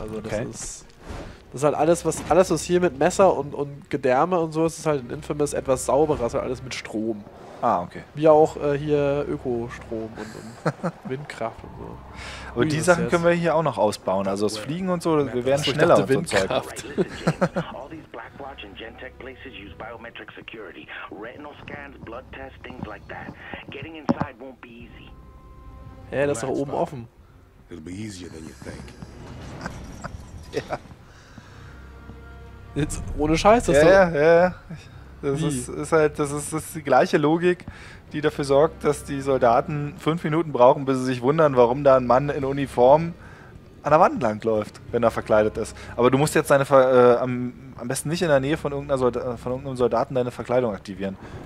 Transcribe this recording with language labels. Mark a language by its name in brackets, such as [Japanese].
[German] Also das ist halt alles, was hier mit Messer und Gedärme und so ist, ist halt in Infamous etwas sauberer, also alles mit Strom. Ah, okay. Wie auch hier Ökostrom und Windkraft und so. Und die Sachen können wir hier auch noch ausbauen. Also das Fliegen und so, wir werden schneller und so Zeug. [English] All these Blackwatch and Gentech places use biometric security. Retinal scans, blood tests, things like that. Getting inside won't be easy. [German] Hä, das ist doch oben offen. [English] It'll be easier than you think. [German] Ja. Jetzt, ohne Scheiß, das ist doch... Ja, ja, ja. Das ist die gleiche Logik, die dafür sorgt, dass die Soldaten 5 Minuten brauchen, bis sie sich wundern, warum da ein Mann in Uniform an der Wand langläuft, wenn er verkleidet ist. Aber du musst jetzt am besten nicht in der Nähe von irgendeinem Soldaten deine Verkleidung aktivieren.